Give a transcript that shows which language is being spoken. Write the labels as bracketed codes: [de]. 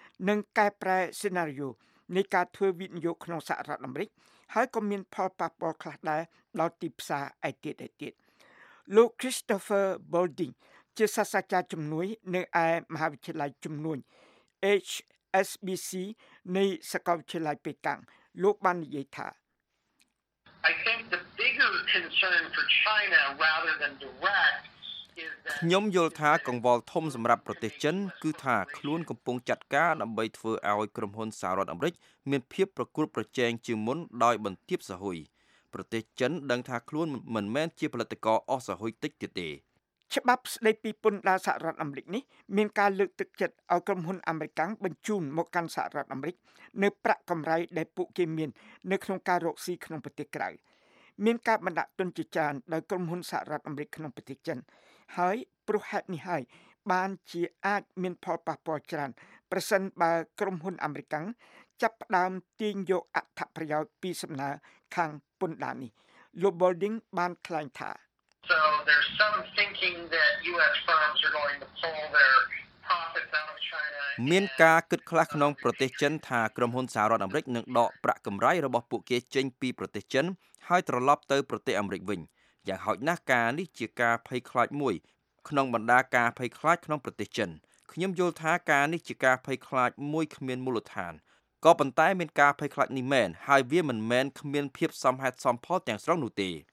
[km] និងកែប្រែសេណារីយ៉ូនៃការធ្វើវិនិយោគក្នុងសហរដ្ឋអាមេរិកហើយក៏មានផលប៉ះពាល់ខ្លះដែរដល់ទីផ្សារឯទៀតឯទៀតលោក Christopher Boulding ជាសាស្ត្រាចារ្យជំនួយនៅឯមហាវិទ្យាល័យជំនួយ HSBC នៃសាកលវិទ្យាល័យប៉េកាំងលោកបាននិយាយថា [en] I think the bigger concern for China rather than direct [km] ខ្ញុំយល់ថាកង្វល់ធំសម្រាប់ប្រទេសចិនគឺថាខ្លួនកំពុងចាត់ការដើម្បីធ្វើឲ្យក្រុមហ៊ុនសហរដ្ឋអាមេរិកមានភាពប្រកួតប្រជែងជាមុនដោយបន្ទាបសហ៊ុយប្រទេសចិនដឹងថាខ្លួនមិនមែនជាផលិតករអស់សហ៊ុយតិចទៀតទេ ច្បាប់ស្ដីពីពន្ធដារសហរដ្ឋអាមេរិកនេះមានការលើកទឹកចិត្តឲ្យក្រុមហ៊ុនអាមេរិកបញ្ជូនមកកាន់សហរដ្ឋអាមេរិកនៅប្រាក់កម្រៃដែលពួកគេមាននៅក្នុងការរកស៊ីក្នុងប្រទេសក្រៅមានការបណ្ដាក់ទុនជាច្រើនដោយក្រុមហ៊ុនសហរដ្ឋអាមេរិកក្នុងប្រទេសចិនហើយព្រោះហេតុនេះហើយបានជាអាចមានផលប៉ះពាល់ច្រើនប្រសិនបើក្រុមហ៊ុនអាមេរិកចាប់ផ្ដើមទាញយកអត្ថប្រយោជន៍ពីសំណើខាងពន្ធដារនេះលោក Boulding បានថ្លែងថា [en] So there's some thinking that US firms are going to pull their profits out of China [km] មានការគិតខ្លះក្នុងប្រទេសចិនថាក្រុមហ៊ុនសហរដ្ឋអាមេរិកនឹងដកប្រាក់កម្រៃរបស់ពួកគេចេញពីប្រទេសចិនហើយត្រឡប់ទៅប្រទេសអាមេរិកវិញយ៉ាងហោចណាស់ការនេះជាការភ័យខ្លាចមួយក្នុងបណ្ដាការភ័យខ្លាចក្នុងប្រទេសចិនខ្ញុំយល់ថាការនេះជាការភ័យខ្លាចមួយគ្មានមូលដ្ឋានក៏ប៉ុន្តែមានការភ័យខ្លាចនេះមែនហើយវាមិនមែនគ្មានភាពសមហេតុសមផលទាំងស្រុងនោះទេ